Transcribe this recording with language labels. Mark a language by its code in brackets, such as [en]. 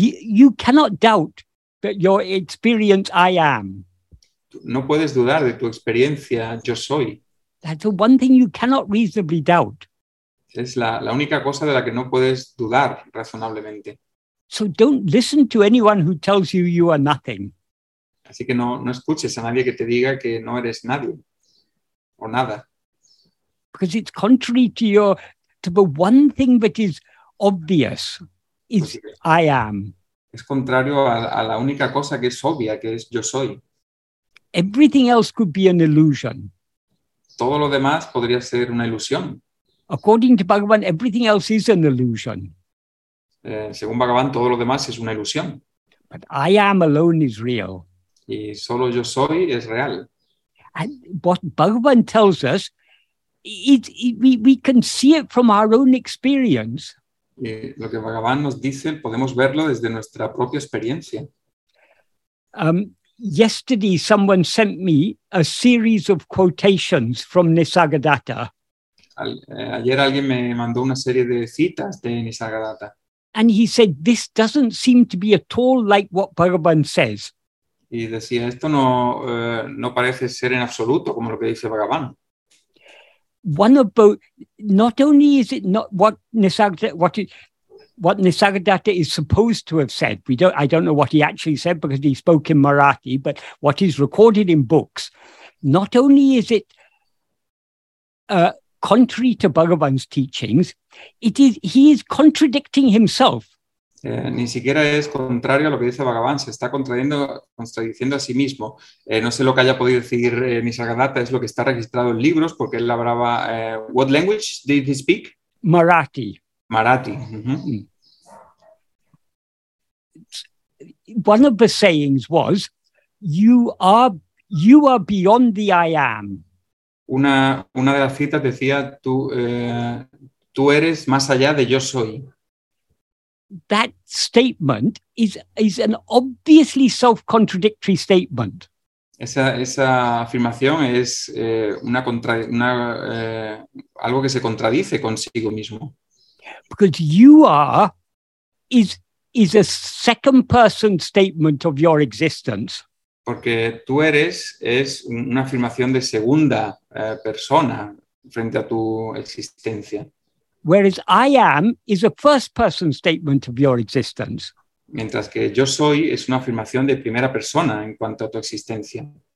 [en] You cannot doubt that your experience I am. [es] No puedes dudar de tu experiencia yo soy. [en] That's the one thing you cannot reasonably doubt. [es] Es la única cosa de la que no puedes dudar razonablemente. [en] So don't listen to anyone who tells you you are nothing. [es] Así que no escuches a nadie que te diga que no eres nadie o nada. [en] Because it's contrary to the one thing that is obvious is sí. I am. [es] Es contrario a la única cosa que es obvia, que es yo soy. [en] Everything else could be an illusion. [es] Todo lo demás podría ser una ilusión. [en] According to Bhagavan, everything else is an illusion. [es] Según Bhagavan, todo lo demás es una ilusión. [en] But I am alone is real. [es] Y solo yo soy es real. [en] And what Bhagavan tells us, we can see it from our own experience. [es] Y lo que Bhagavan nos dice, podemos verlo desde nuestra propia experiencia. [en] Yesterday, someone sent me a series of quotations from Nisargadatta. [es] Ayer alguien me mandó una serie de citas de Nisargadatta. [en] And he said, this doesn't seem to be at all like what Bhagavan says. [es] Y decía, esto no parece ser en absoluto como lo que dice Bhagavan. [en] Not only is it not what Nisargadatta is supposed to have said, I don't know what he actually said because he spoke in Marathi, but what is recorded in books, not only is it contrary to Bhagavan's teachings, he is contradicting himself. [es] Ni siquiera es contrario a lo que dice Bhagavan, se está contradiciendo a sí mismo. No sé lo que haya podido decir Nisargadatta, es lo que está registrado en libros, porque él hablaba... [en] What language did he speak? Marathi. Marathi. Mm-hmm. One of the sayings was, you are beyond the I am. [es] Una de las citas decía, tú eres más allá de yo soy. [en] That statement is an obviously self-contradictory statement. [es] Esa afirmación es algo que se contradice consigo mismo. [en] Because you are is a second person statement of your existence. [es] Porque tú eres es una afirmación de segunda persona frente a tu existencia. [en] Whereas I am is a first person statement of your existence. [es] Mientras que yo soy es una afirmación de primera persona en cuanto a tu existencia.